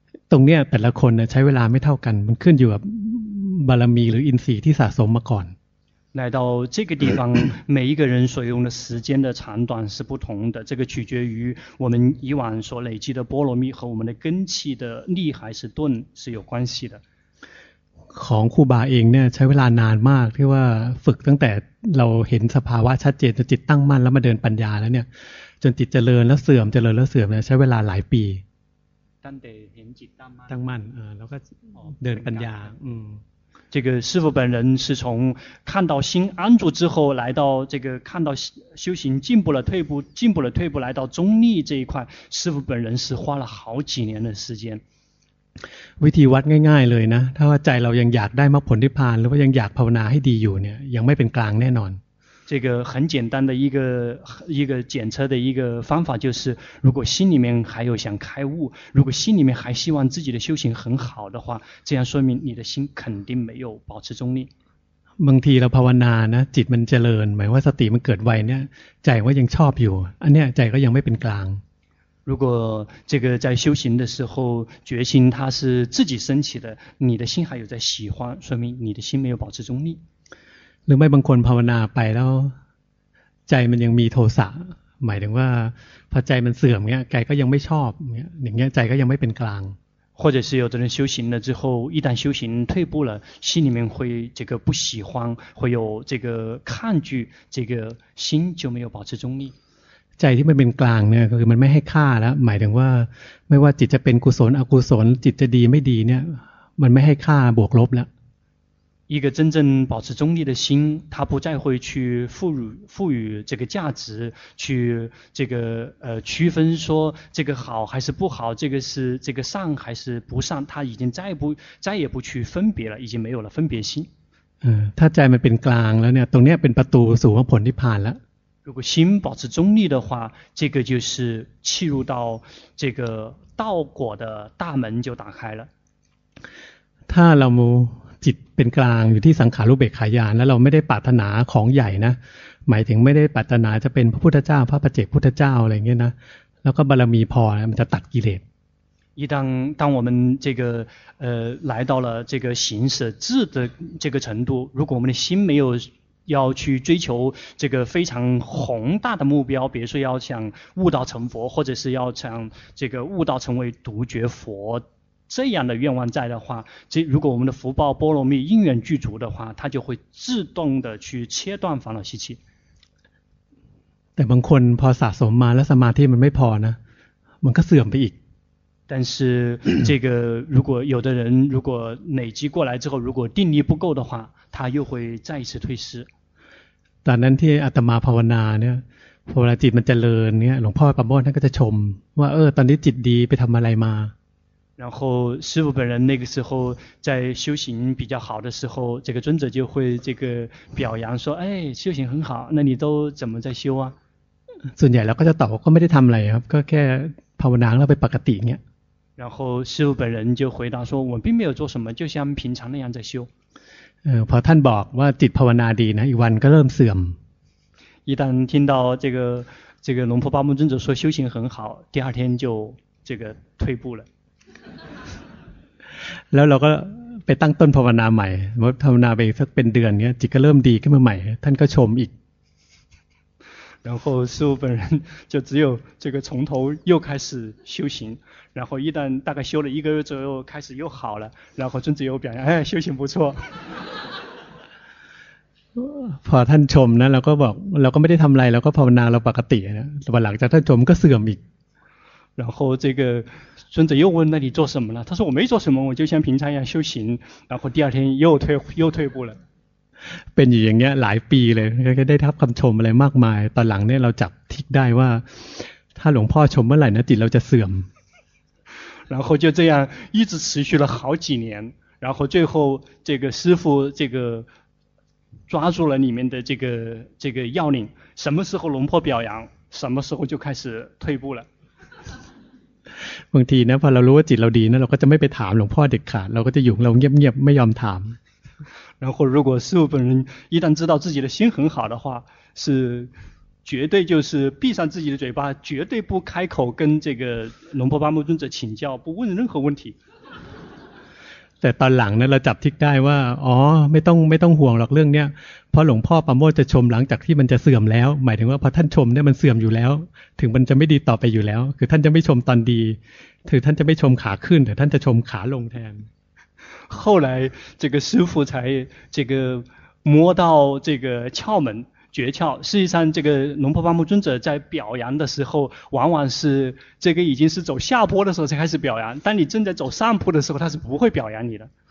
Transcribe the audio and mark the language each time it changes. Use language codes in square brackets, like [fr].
[th] ตรงเนี้ยแต่ละคนเนี่ยใช้เวลาไม่เท่ากันมันขึ้นอยู่กับบารมีหรืออินทรีย์ที่สะสมมาก่อน [zh] 来到这个地方每一个人所用的时间的长短是不同的这个取决于我们以往所累积的波罗蜜和我们的根气的力还是钝是有关系的 [th] ของครูบาเองเนี่ยใช้เวลานานมากที่ว่าฝึกตั้งแต่เราเห็นสภาวะชัดเจนจนจิตตั้งมั่นแล้วมาเดินปัญญาแล้วเนี่ยจนจิตเจริญแล้วเสื่อมเจริญแล้วเสื่อมเนี่ยใช้เวลาหลายปี ตั้งแต่เห็นจิต ตั้งมั่นแล้วก็เดินปัญญา [zh] 这个师父本人是从看到心安住之后来到这个看到修行进步了退步进步了退步来到中立这一块师父本人是花了好几年的时间 [th] วิธีวัดง่ายๆเลยนะถ้าว่าใจเรายังอยากได้มรรคผลนิพพานหรือว่ายังอยากภาวนาให้ดีอยู่เนี่ยยังไม่เป็นกลางแน่นอน [zh] 这个很简单的一个检测的一个方法，就是如果心里面还有想开悟，如果心里面还希望自己的修行很好的话，这样说明你的心肯定没有保持中立。 [th] บางทีเราภาวนานะจิตมันเจริญหมายว่าสติมันเกิดไวเนี่ยใจว่ายังชอบอยู่อันเนี้ยใจก็ยังไม่เป็นกลาง [zh] 如果这个在修行的时候决心它是自己升起的，你的心还有在喜欢，说明你的心没有保持中立。 [th] หรือไม่บางคนภาวนาไปแล้วใจมันยังมีโทสะหมายถึงว่าพอใจมันเสื่อมเนี้ยใจก็ยังไม่ชอบเนี้ยอย่างเงี้ยใจก็ยังไม่เป็นกลาง [zh] 或者是有的人修行了之后，一旦修行退步了，心里面会这个不喜欢，会有这个抗拒，这个心就没有保持中立。在这边 [th] กลางเนี่ยคือมันไม่ให้ค่าแล้วหมายถึงว่าไม่ว่าจิตจะเป็นกุศลอกุศลจิตจะดีไม่ดีเนี่ยมันไม่ให้ค่าบวกลบแล้ว [zh] 一个真正保持中立的心，他不再会去赋予这个价值，去这个区分说这个好还是不好，这个是这个善还是不善，他已经再也不去分别了，已经没有了分别心。他 [th] ถ้าใจมันเป็นกลางแล้วเนี่ยตรงเนี้ยเป็นประตูสู่ผลนิพพานแล้ว。 [zh] 如果心保持中立的话，这个就是切入到这个道果的大门就打开了。 [th] ถ้าเราจิตเป็นกลางอยู่ที่สังขารุเบกขายานแล้วเราไม่ได้ปรารถนาของใหญ่นะหมายถึงไม่ได้ปรารถนาจะเป็นพระพุทธเจ้าพระปัจเจกพุทธเจ้าอะไรเงี้ยนะแล้วก็บารมีพอมันจะตัดกิเลส [zh] 一旦我们这个来到了这个行舍智的这个程度，如果我们的心没有要去追求这个非常宏大的目标，比如说要想悟道成佛，或者是要想这个悟道成为独觉佛。这样的愿望在的话，这如果我们的福报波罗蜜因缘具足的话，它就会自动的去切断烦恼习气。 [th] แต่บางคนพอสะสมมาแล้วสมาธิมันไม่พอนะมันก็เสื่อมไปอีก [zh] 但是这个如果有的人如果累积过来之后，如果定力不够的话，他又会再一次退失。 [th] ตอนนั้นที่อาตมาภาวนาเนี่ยพอเวลาจิตมันเจริญเนี่ยหลวงพ่อปามโบ้ท่านก็จะชมว่าเออตอนนี้จิตดีไปทำอะไรมา [zh] 然后师父本人那个时候在修行比较好的时候，这个尊者就会这个表扬说：“哎，修行很好，那你都怎么在修啊？” [th] ส่วนใหญ่เราก็จะตอบก็ไม่ได้ทำอะไรครับก็แค่ภาวนาแล้วไปปกติเงี้ย。 [zh] 然后师父本人就回答说：“我并没有做什么，就像平常那样在修。” [th] พอท่านบอกว่าจิตภาวนาดีนะอีกวันก็เริ่มเสื่อม。 [zh] 一旦听到这个龙婆巴木尊者说修行很好，第二天就这个退步了。 [th] แล้วเราก็ไปตั้งต้นภาวนาใหม่เมื่อภาวนาไปสักเป็นเดือนเนี้ยจิตก็เริ่มดีขึ้นมาใหม่ท่านก็ชมอีก [zh] 然后师父本人就只有这个从头又开始修行，然后一旦大概修了一个月左右开始又好了，然后尊者又表扬哎修行不错 [th] พอท่านชมนะเราก็บอกเราก็ไม่ได้ทำอะไรเราก็ภาวนาเราปกตินะหลังจากท่านชมก็เสื่อมอีก [zh] 然后这个尊者又问那你做什么了，他说我没做什么，我就像平常一样修行，然后第二天又退步了。 [th] เป็นอย่างเงี้ยหลายปีเลยก็ได้รับคำชมอะไรมากมายตอนหลังเนี่ยเราจับทิกได้ว่าถ้าหลวงพ่อชมเมื่อไหร่นะจิตเราจะเสื่อม [zh] 然后就这样一直持续了好几年，然后最后这个师父这个抓住了里面的这个要领，什么时候龙婆表扬什么时候就开始退步了。 [th] บางทีนะพอเรารู้ว่าจิตเราดีนะเราก็จะไม่ไปถามหลวงพ่อเด็ดขาดเราก็จะอยู่เราเงียบๆไม่ยอมถาม [zh] 然后如果师父本人一旦知道自己的心很好的话，是绝对就是闭上自己的嘴巴，绝对不开口跟这个龙婆巴木尊者请教，不问任何问题。 [th] แต่ตอนหลังนะเราจับทิกได้ว่าอ๋อไม่ต้องห่วงหรอกเรื่องเนี้ยเพราะหลวงพ่อปามโมจะชมหลังจากที่มันจะเสื่อมแล้วหมายถึงว่าพอท่านชมเนี่ยมันเสื่อมอยู่แล้วถึงมันจะไม่ดีต่อไปอยู่แล้วคือท่านจะไม่ชมตอนดีถือท่านจะไม่ชมขาขึ้นแต่ท่านจะชมขาลงแทน [zh] 后来这个师父才这个摸到这个窍门诀窍，事实上这个龙婆巴木尊者在表扬的时候往往是这个已经是走下坡的时候才开始表扬，当你正在走上坡的时候他是不会表扬你的。